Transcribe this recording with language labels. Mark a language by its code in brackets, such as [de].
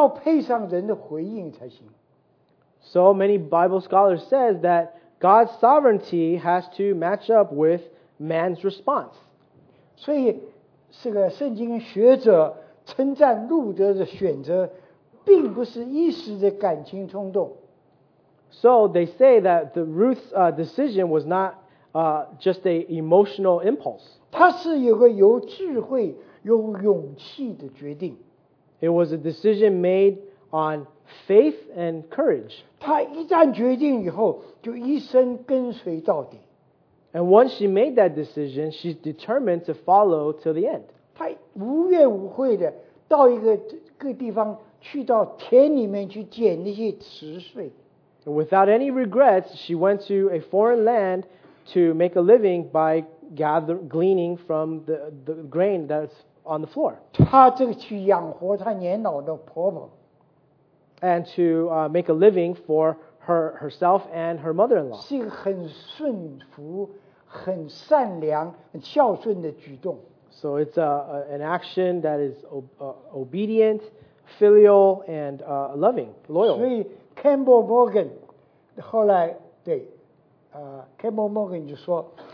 [zh] 所以圣经学者就同意一点，就是神的呼召和主权要配上人的回应才行。 [en] So many Bible scholars says that God's sovereignty has to match up with man's response. [zh] 所以这个圣经学者称赞路德的选择，并不是一时的感情冲动。 [en] So they say that Ruth's decision was not just an emotional impulse. [zh] 它是有个有智慧、有勇气的决定。 [en] It was a decision made on faith and courage. [zh] 她一旦决定以后，就一生跟随到底。 [en] And once she made that decision, she's determined to follow till the end. [zh] 她无怨无悔的到一个地方，去到田里面去捡那些池穗。 [en] Without any regrets, she went to a foreign land to make a living by gleaning from the grain that's on the floor. [zh] 她这个去养活她年老的婆婆。 [en] And to make a living for herself and her mother-in-law. [zh] 是一个很顺服、很善良、很孝顺的举动。 [en] So it's an action that is obedient, filial, and loving, loyal. [zh] 所以 Campbell Morgan 后来对 Campbell Morgan 就说。